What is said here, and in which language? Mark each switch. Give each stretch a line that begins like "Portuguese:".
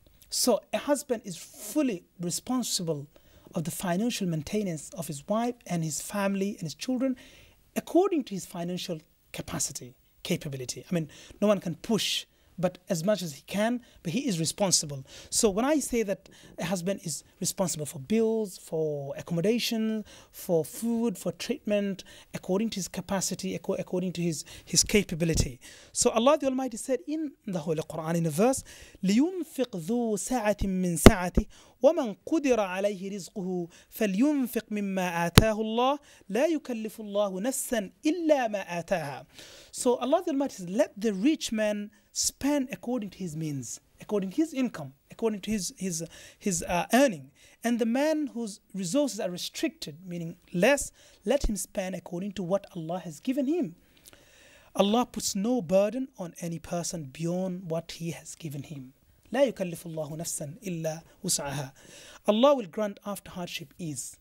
English: So a husband is fully responsible of the financial maintenance of his wife and his family and his children according to his financial capability. I mean, no one can push, but as much as he can, but he is responsible. So when I say that a husband is responsible for bills, for accommodation, for food, for treatment, according to his capacity, according to his capability. So Allah the Almighty said in the Holy Quran, in a verse,
Arabic: لِيُنْفِقْ ذُو سَعَةٍ مِّن سَعَةِ وَمَنْ قُدِرَ عَلَيْهِ رِزْقُهُ فَلْيُنْفِقْ مِمَّا آتَاهُ اللَّهُ لَا يُكَلِّفُ اللَّهُ نَفْسًا إِلَّا مَا آتَاهَا.
English: So Allah the Almighty says, let the rich man spend according to his means, according to his income, according to his earning. And the man whose resources are restricted, meaning less, let him spend according to what Allah has given him. Allah puts no burden on any person beyond what he has given him.
Arabic: لا يكلف الله نفسا إلا وسعها.
English: Allah will grant after hardship ease.